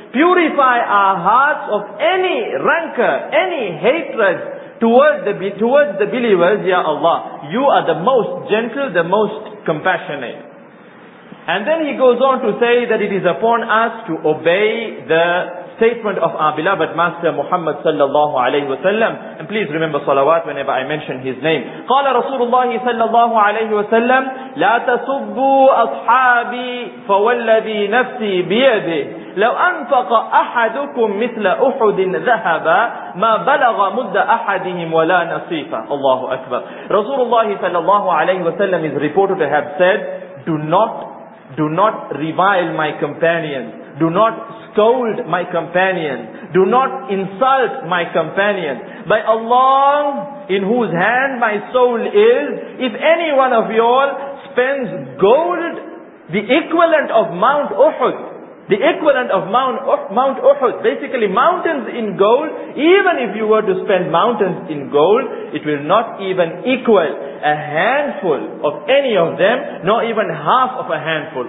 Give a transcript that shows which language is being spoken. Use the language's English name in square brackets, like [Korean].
[English] Purify our hearts of any rancor, any hatred towards the believers, Ya Allah. You are the most gentle, the most compassionate. And then he goes on to say that it is upon us to obey the statement of our beloved Master Muhammad sallallahu alayhi wa sallam. And please remember salawat whenever I mention his name. [Arabic] Qala Rasulullah sallallahu alayhi wa sallam, لا تسبوا أصحابي فوالذي نفسي بيده لو أنفق أحدكم مثل أحد ذهبا ما بلغ مد أحدهم ولا نصيفا. الله أكبر. [English] Rasulullah sallallahu alayhi wa sallam is reported to have said, do not revile my companions, do not scold my companions, do not insult my companions. By Allah, in whose hand my soul is, if any one of y'all spends gold, the equivalent of Mount Uhud, the equivalent of Mount Uhud, basically mountains in gold, even if you were to spend mountains in gold, it will not even equal a handful of any of them, nor even half of a handful.